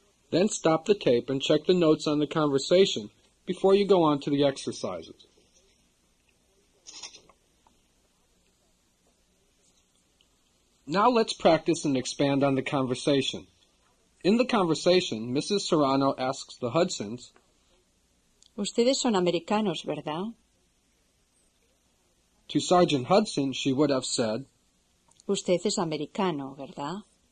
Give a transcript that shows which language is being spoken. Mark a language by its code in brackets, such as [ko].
[en] Then stop the tape and check the notes on the conversation before you go on to the exercises. Now let's practice and expand on the conversation. In the conversation, Mrs. Serrano asks the Hudsons, [es] Ustedes son americanos, ¿verdad? [en] To Sergeant Hudson, she would have said, [es] Usted es americano, ¿verdad?